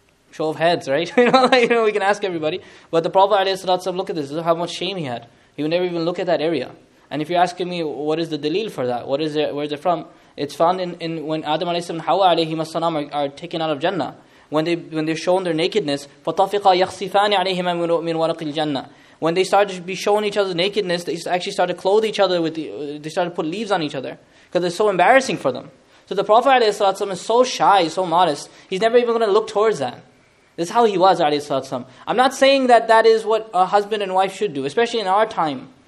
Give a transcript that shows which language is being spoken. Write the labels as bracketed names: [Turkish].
[English] show of heads, right? You know, we can ask everybody. But the Prophet alayhi salatu wasalam, look at this. Look how much shame he had. He would never even look at that area. And if you're asking me, what is the dalil for that? What is it, where is it from? It's found in when Adam alayhi salam and Hawa alayhi salam are taken out of Jannah. When they're shown their nakedness, [Arabic] فَطَفِقَ يَخْصِفَانِ عَلَيْهِمَا مِنْ وَرَقِ الْجَنَّةِ. [English] When they started to be shown each other's nakedness, they actually started to clothe each other they started to put leaves on each other. Because it's so embarrassing for them. So the Prophet alayhi salatu wasalam, is so shy, so modest, he's never even going to look towards that. This is how he was, alayhi salatu wasalam. I'm not saying that that is what a husband and wife should do, especially in our time.